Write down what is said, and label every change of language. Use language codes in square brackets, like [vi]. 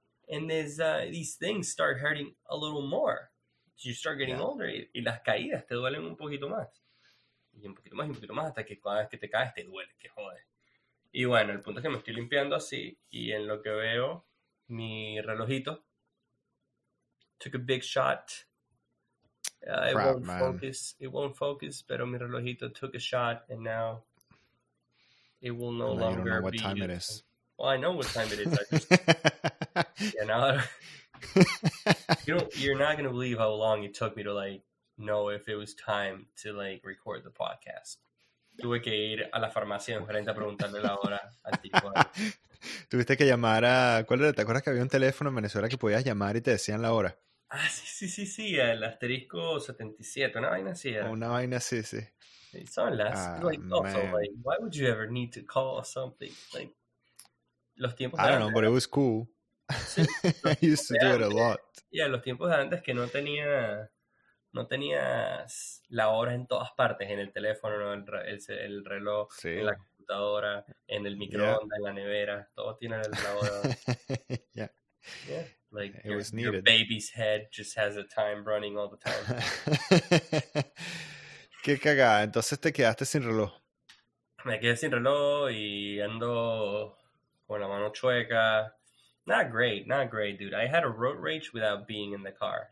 [en] And these things start hurting a little more. You start getting older. [es] Y las caídas te duelen un poquito más. Y un poquito más. Hasta que cada vez que te caes te duele. Que jode. Y bueno, el punto es que me estoy limpiando así. Y en lo que veo, mi relojito. [en] Took a big shot. It won't focus. [es] Pero mi relojito [en] took a shot. And now it will no longer be. I don't know what time it is. Well, I know what time it is. I just... Yeah, now You're not going to believe how long it took me to like know if it was time to like record the podcast. [es] Tuve que ir a la farmacia en frente a preguntarle la hora al tipo. Tuviste que llamar a... ¿Cuál era? ¿Te acuerdas que había un teléfono en Venezuela que podías llamar y te decían la hora? Ah, sí. El asterisco 77. Una vaina así. Una vaina así, sí. Son las... [en] Like, why would you ever need to call something? [es] Like, los tiempos de antes... [en] I don't know, but it was cool. Sí, I used to do it a lot. [es] Yeah, los tiempos de antes que no tenías la hora en todas partes. En el teléfono, el reloj, sí. En la computadora, en el microondas, yeah. En la nevera. Todos tienen la hora. [en] Yeah. Yeah, like it was needed. Your baby's head just has a time running all the time. [es] Qué cagada. Entonces te quedaste sin reloj. Me quedé sin reloj y ando con la mano chueca. [en] Not great, dude. I had a road rage without being in the car.